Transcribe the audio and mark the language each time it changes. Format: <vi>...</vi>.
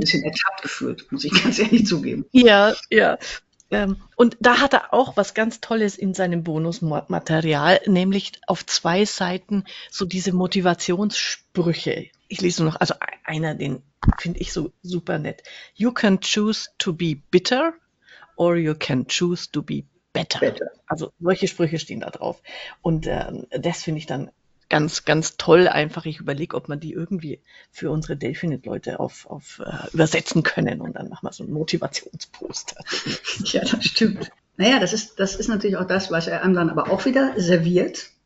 <de>bisschen ertappt gefühlt, muss ich ganz ehrlich zugeben. ja. Und da hat er auch was ganz Tolles in seinem Bonusmaterial, nämlich auf zwei Seiten so diese Motivationssprüche. Ich lese nur noch, also einer, den finde ich so super nett.</de> <en>You can choose to be bitter or you can choose to be better.</en> <de>Bitte. Also solche Sprüche stehen da drauf. Und das finde ich dann ganz, ganz toll. Einfach, ich überlege, ob man die irgendwie für unsere Delfinet-Leute übersetzen können. Und dann machen wir so ein Motivationsposter. Ja, das stimmt. Naja, das ist natürlich auch das, was er einem dann aber auch wieder serviert.</de>